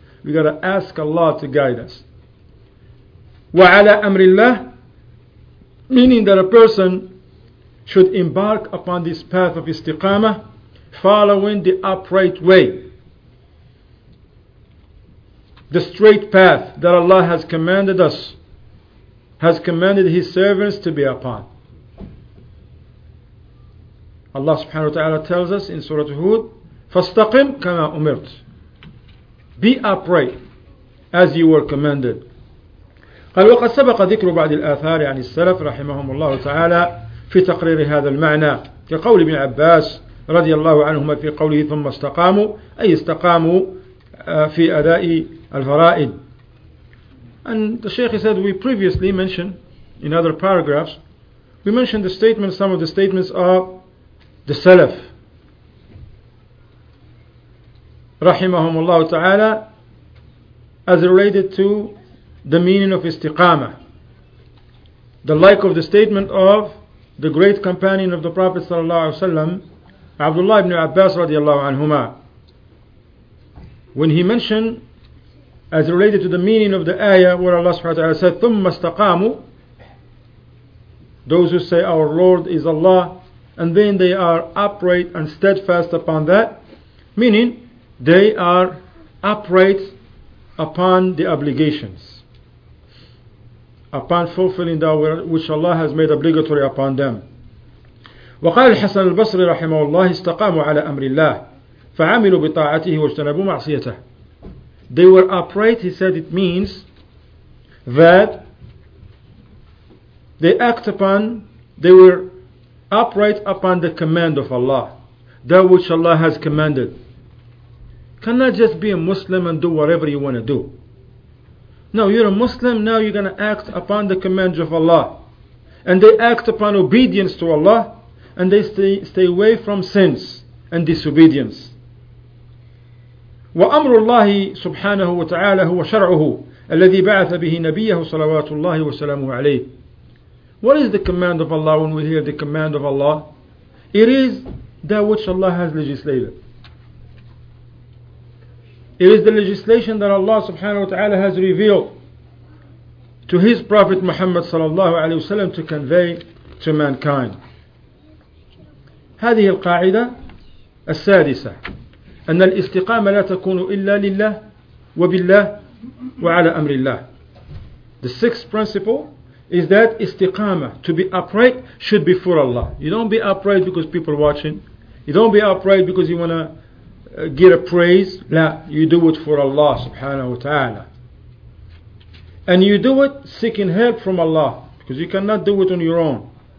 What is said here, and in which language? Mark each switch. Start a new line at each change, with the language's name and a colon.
English: We got to ask Allah to guide us.
Arabic: وعلى أمر الله,
English: meaning that a person should embark upon this path of istiqamah, following the upright way, the straight path that Allah has commanded us, has commanded His servants to be upon. Allah subhanahu wa ta'ala tells us in Surah Hud,
Arabic: فَاسْتَقِمْ كَمَا أُمِرْتَ.
English: Be upright as you were commanded.
Arabic: قَالْ وَقَدْ سَبَقَ ذِكْرُ بَعْدِ الْآثَارِ عَنِ السَّلَفِ رَحِمَهُمُ اللَّهُ تَعَالَى فِي تَقْرِيرِ هَذَا الْمَعْنَى كَقَوْلِ ابْنِ عَبَّاسِ رضي الله عنهما في قوله ثُمَّ اسْتَقَامُوا أي استقاموا في أداء الفرائض.
English: And the Shaykh said, we previously mentioned in other paragraphs, we mentioned the statements, some of the statements of the Salaf rahimahumullah ta'ala, as related to the meaning of istiqamah, the like of the statement of the great companion of the Prophet sallallahu alaihi wasallam, Abdullah ibn Abbas radiallahu anhuma, when he mentioned as related to the meaning of the ayah where Allah subhanahu wa ta'ala said thumma istaqamu, those who say our Lord is Allah, and then they are upright and steadfast upon that, meaning they are upright upon the obligations, upon fulfilling that which Allah has made obligatory upon them.
Arabic: وقال الحسن البصري رحمه الله استقاموا على أمر الله فعملوا بطاعته واجتنبوا معصيته.
English: They were upright, he said, it means that they were upright upon the command of Allah, that which Allah has commanded. Cannot just be a Muslim and do whatever you want to do. No, you're a Muslim, now you're going to act upon the commands of Allah. And they act upon obedience to Allah, and they stay away from sins and disobedience.
Arabic: وَأَمْرُ اللَّهِ سُبْحَانَهُ وَتَعَالَى هُوَ شَرْعُهُ الَّذِي بَعَثَ بِهِ نَبِيَّهُ صَلَوَاتُ اللَّهِ وَسَلَامُهُ عَلَيْهِ.
English: What is the command of Allah when we hear the command of Allah? It is that which Allah has legislated. It is the legislation that Allah subhanahu wa ta'ala has revealed to His Prophet Muhammad sallallahu alayhi wa sallam to convey to mankind.
Arabic: هذه القاعدة السادسة أن الاستقامة لا تكون إلا لله وبالله وعلى أمر الله.
English: The sixth principle is that استقامة, to be upright, should be for Allah. You don't be upright because people watching. You don't be upright because you want to get a praise. La, you do it for Allah subhanahu wa ta'ala. And you do it seeking help from Allah, because you cannot do it on your own.